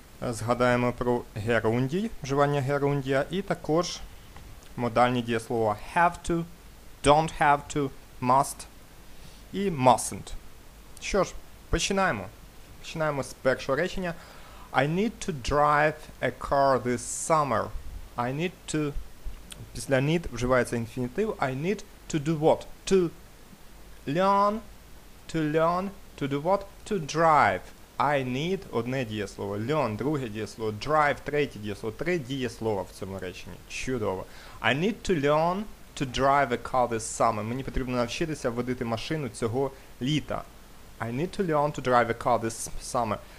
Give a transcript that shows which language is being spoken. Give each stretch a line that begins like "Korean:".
Ukrainian: Згадаємо про герундій, вживання герундія, і також модальні дієслова have to, don't have to, must і mustn't. Що ж, починаємо. Починаємо з першого речення.
English: I need to drive a car this summer. I need to...
Ukrainian: Після need вживається інфінітив.
English: I need to do what? To learn, to do what? To drive.
Ukrainian: I need одне дієслово, learn друге дієслово, drive третє дієслово, три дієслова в цьому реченні. Чудово.
English: I need to learn to drive a car this summer.
Ukrainian: Мені потрібно навчитися водити машину цього літа.
English: I need to learn to drive a car this summer.